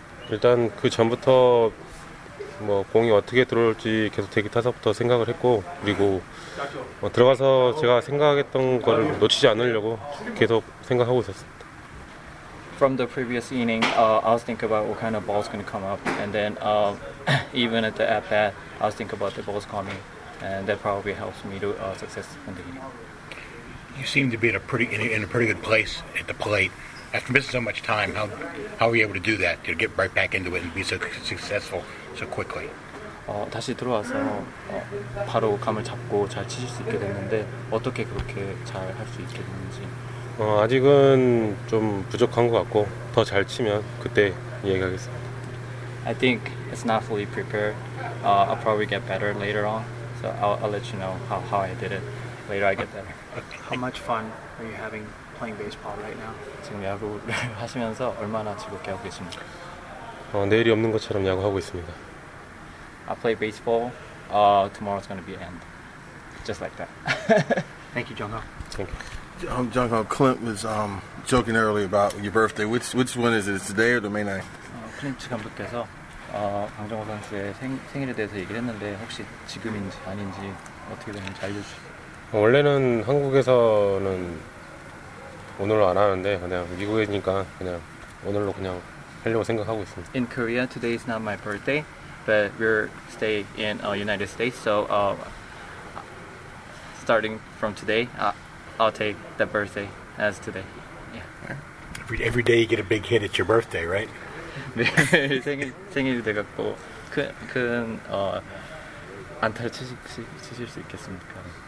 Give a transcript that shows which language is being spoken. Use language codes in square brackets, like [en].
[ko] 일단 그 전부터 뭐 공이 어떻게 들어올지 계속 대기 타석부터 생각을 했고 그리고 들어가서 제가 생각했던 거를 놓치지 않으려고 계속 생각하고 있었습니다. [en] From the previous inning, I was thinking about what kind of ball's going to come up, and then even at the at bat, I was thinking about the ball's coming, and that probably helps me to success in the inning. You seem to be in a pretty good place at the plate. After missing so much time, how were you able to do that? To get right back into it and be so successful so quickly? [ko] 다시 들어와서 바로 감을 잡고 잘 치실 수 있게 됐는데 어떻게 그렇게 잘 할 수 있게 됐는지? 아직은 좀 부족한 것 같고 더 잘 치면 그때 얘기하겠습니다. [en] I think it's not fully prepared. I'll probably get better later on. So I'll let you know how I did it later. I get better. How much fun are you having playing baseball right now? [ko] 지금 야구를 하시면서 얼마나 즐겁게 하고 계십니까? 내일이 없는 것처럼 야구하고 있습니다. [en] I play baseball. Tomorrow's going to be an end. Just like that. Thank you, Jung-ho. Thank you. Jung-ho, Clint was joking earlier about your birthday. Which one is it? Is it today or the May 9th? [ko] Clint 감독께서 강정호 선수의 생일에 대해서 얘기를 했는데 혹시 지금인지 아닌지 어떻게 되는지 알려주세요. 원래는 한국에서는 오늘로 안 하는데 그냥 미국이니까 그냥 오늘로 그냥 하려고 생각하고 있습니다. [en] In Korea, today is not my birthday, but we're stay in United States. So starting from today, I'll take the birthday as today. Yeah. Every day you get a big hit, it's your birthday, right? [ko] 네, 생일이 돼갖고 큰 안타를 치실 수 있겠습니까?